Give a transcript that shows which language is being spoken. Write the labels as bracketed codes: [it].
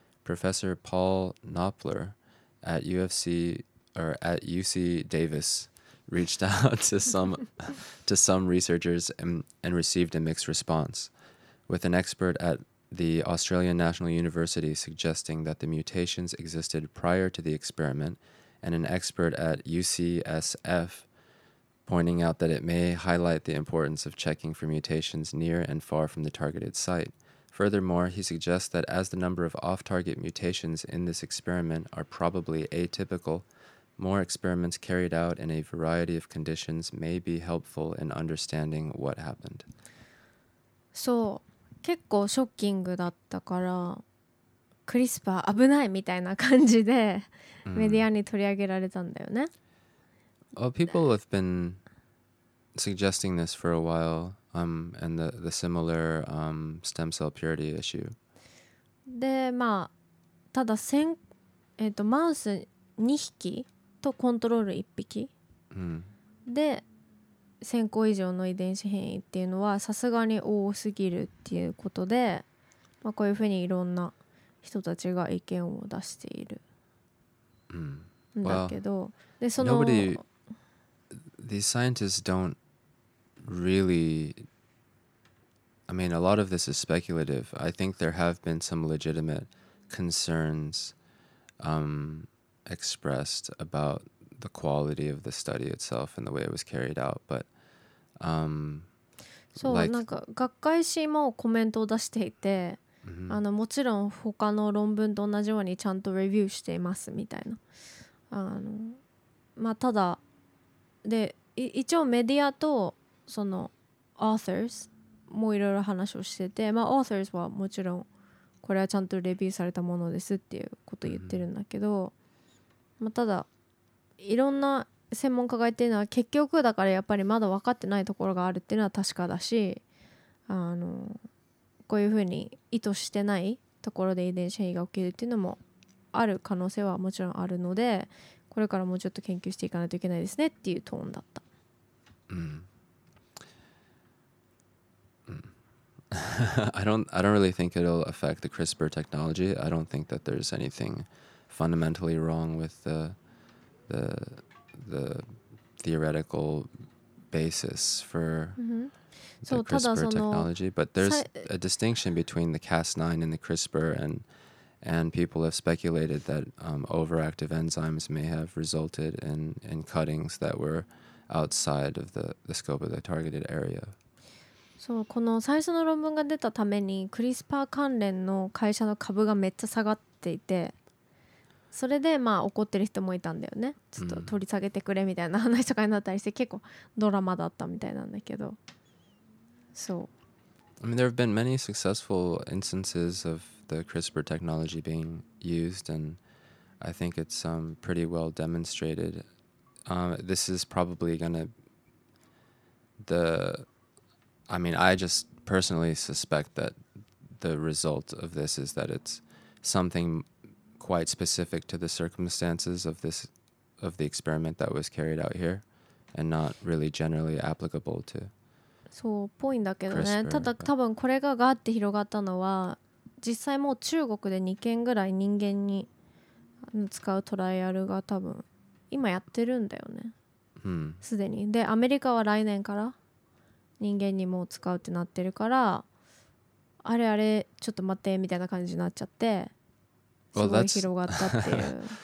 [en] Professor Paul Knoppler at UC Davis reached out to some researchers and received a mixed response, with an expert at the Australian National University suggesting that the mutations existed prior to the experiment, and an expert at UCSF pointing out that it may highlight the importance of checking for mutations near and far from the targeted site. Furthermore, he suggests that as the number of off-target mutations in this experiment are probably atypical, more experiments carried out in a variety of conditions may be helpful in understanding what happened. [ja] そう、結構ショッキングだったから、クリスパー危ないみたいな感じでメディアに取り上げられたんだよね。 [en] Well, people have been suggesting this for a while. And the similar stem cell purity issue. [ja] で、まあ、ただ先、マウス2匹とコントロール1匹、で、1000個以上の遺伝子変異っていうのはさすがに多すぎるっていうことで、まあ、こういうふうにいろんな人たちが意見を出しているんだけど、で、その、 [en] these scientists don'treally, I mean, a lot of this is speculative. I think there have been some legitimate concerns expressed about the quality of the study itself and the way it was carried out. But, [ja] そう、like, なんか学会誌もコメントを出していて、あのもちろん他の論文と同じようにちゃんとレビューしていますみたいな。あのまあただで一応メディアとそのアーサーズもいろいろ話をしてて、まあアーサーズはもちろんこれはちゃんとレビューされたものですっていうことを言ってるんだけど、まあただいろんな専門家が言ってるのは、結局だからやっぱりまだ分かってないところがあるっていうのは確かだし、あのこういうふうに意図してないところで遺伝子変異が起きるっていうのもある可能性はもちろんあるので、これからもうちょっと研究していかないといけないですねっていうトーンだった。 [en] I don't really think it'll affect the CRISPR technology. I don't think that there's anything fundamentally wrong with the theoretical basis for the CRISPR technology. But there's a distinction between the Cas9 and the CRISPR, and people have speculated that overactive enzymes may have resulted in cuttings that were outside of the scope of the targeted area. [ja] そう、この最初の論文が出たためにクリスパー関連の会社の株がめっちゃ下がっていて、それでまあ怒ってる人もいたんだよね。ちょっと取り下げてくれみたいな話とかになったりして、結構ドラマだったみたいなんだけど、そう。 [en] I mean, there have been many successful instances of the CRISPR technology being used, and I think it's pretty well demonstrated. This is probably going to I just personally suspect that the result of this is that it's something quite specific to the circumstances of this, of the experiment that was carried out here, and not really generally applicable to [ja] そうっぽいんだけどね。ただ多分これがガーって広がったのは実際もう中国で2件ぐらい人間に使うトライアルが多分今やってるんだよね。すでに。でアメリカは来年から人間にもう使うってなってるから、あれあれちょっと待ってみたいな感じになっちゃって、すごい広がったっていう。